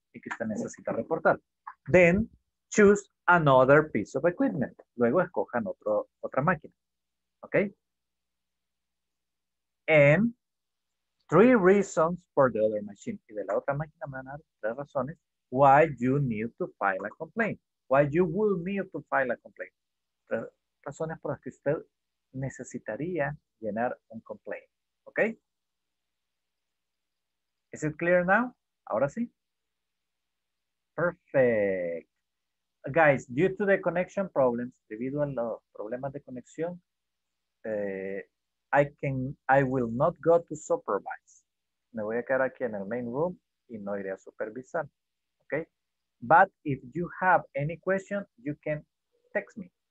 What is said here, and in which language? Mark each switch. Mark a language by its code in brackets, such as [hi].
[es] Y que usted necesita reportar. [en] Then choose another piece of equipment. [es] Luego escojan otra máquina. Okay? [en] And 3 reasons for the other machine. [es] Y de la otra máquina me van a dar 3 razones. [en] Why you need to file a complaint. Why you will need to file a complaint. [es] Razones por las que usted necesitaría llenar un complaint. [en] Okay? Is it clear now? [es] Ahora sí. [en] Perfect. Guys, due to the connection problems, [es] debido a los problemas de conexión, [en] I will not go to supervise. [es] Me voy a quedar aquí en el main room y no iré a supervisar. [en] Okay, but if you have any question, you can text me.